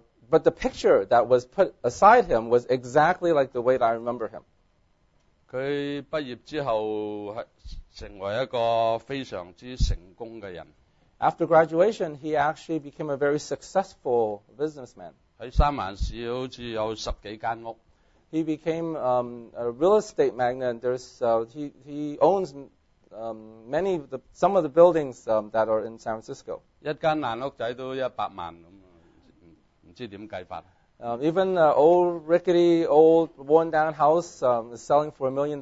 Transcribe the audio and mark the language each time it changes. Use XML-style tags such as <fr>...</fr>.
<en>But the picture that was put aside him was exactly like the way that I remember him.</en> <yue>他畢業之後成為一個非常之成功的人。</yue> <en>After graduation, he actually became a very successful businessman.</en> <yue>在三藩市好像有十幾間屋。</yue> <en>He became a real estate magnate. He owns some of the buildings that are in San Francisco.</en> <yue>一間爛屋仔都100萬。</yue> <en>Even an old rickety, old, worn down house is selling for $1 million.</en>